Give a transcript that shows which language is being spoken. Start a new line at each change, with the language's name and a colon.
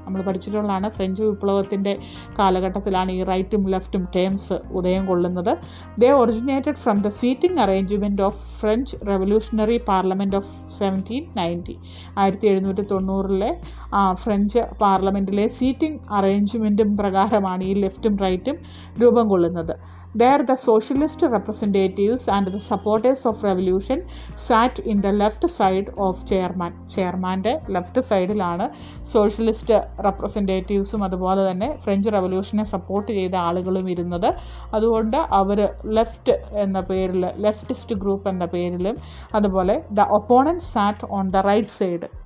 Malayalam: നമ്മൾ പഠിച്ചിട്ടുള്ളതാണ് ഫ്രഞ്ച് വിപ്ലവത്തിൻ്റെ കാലഘട്ടത്തിലാണ് ഈ റൈറ്റും ലെഫ്റ്റും ടേംസ് ഉദയം കൊള്ളുന്നത്.
English: They originated from the seating arrangement of French revolutionary parliament of 1790.
Malayalam: 1790 French പാർലമെൻറ്റിലെ seating അറേഞ്ച്മെൻറ്റും പ്രകാരമാണ് ഈ ലെഫ്റ്റും റൈറ്റും രൂപം കൊള്ളുന്നത്.
English: They are the socialist representatives and the supporters of revolution sat in the left side of chairman.
Malayalam: ചെയർമാൻ്റെ left സൈഡിലാണ് socialist റെപ്രസെൻറ്റേറ്റീവ്സും അതുപോലെ തന്നെ French റെവല്യൂഷനെ support ചെയ്ത ആളുകളും ഇരുന്നത്. അതുകൊണ്ട് അവർ ലെഫ്റ്റ് എന്ന പേരിൽ, ലെഫ്റ്റിസ്റ്റ് ഗ്രൂപ്പ് എന്ന പേരിലും, അതുപോലെ
English: The opponent sat on the right side.